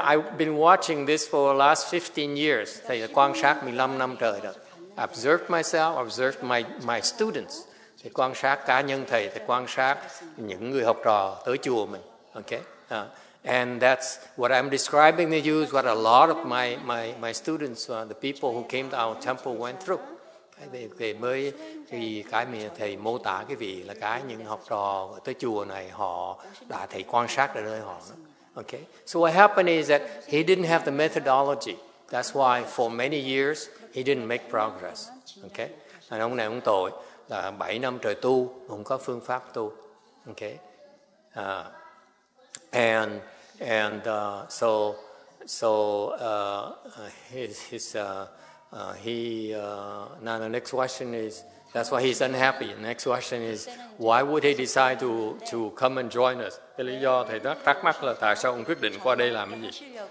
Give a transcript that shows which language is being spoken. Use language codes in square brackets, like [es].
[en] I've been watching this for the last 15 years. [vi] Thầy quan sát 15 năm trời đó. [en] Observed myself, observed my students. [vi] Thầy quan sát cá nhân thầy, thầy quan sát những người học trò tới chùa mình. [en] Okay. And that's what I'm describing to you is what a lot of my students, the people who came to our temple went through. [vi] Thầy mới thì cái mà thầy mô tả cái vị là cái những học trò tới chùa này họ đã thầy quan sát ở nơi họ. [en] Okay. So what happened is that he didn't have the methodology. That's why for many years he didn't make progress. Okay. [vi] Thành ông này ông tội là 7 năm trời tu không có phương pháp tu. [en] Okay. Now the next question is, that's why he's unhappy. The next question is, why would he decide to come and join us? [vi] Cái lý do thầy đó thắc mắc là tại sao ông quyết định qua đây làm cái gì?